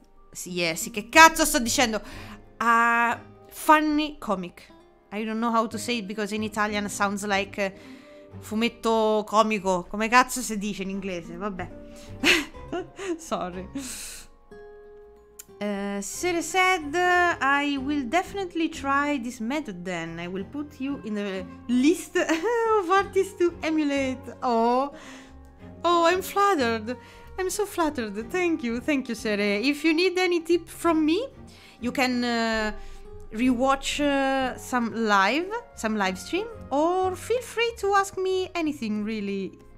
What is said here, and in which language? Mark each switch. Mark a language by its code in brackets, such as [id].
[it] Sì, che cazzo sto dicendo? [en] A funny comic. I don't know how to say it because in Italian sounds like [it] fumetto comico. Come cazzo si dice in inglese? Vabbè. [en] Sorry. Siri said, I will definitely try this method then. I will put you in a list of artists to emulate. Oh, I'm flattered. I'm so flattered. Thank you, Siri. If you need any tip from me, you can rewatch some live stream, or feel free to ask me anything, really.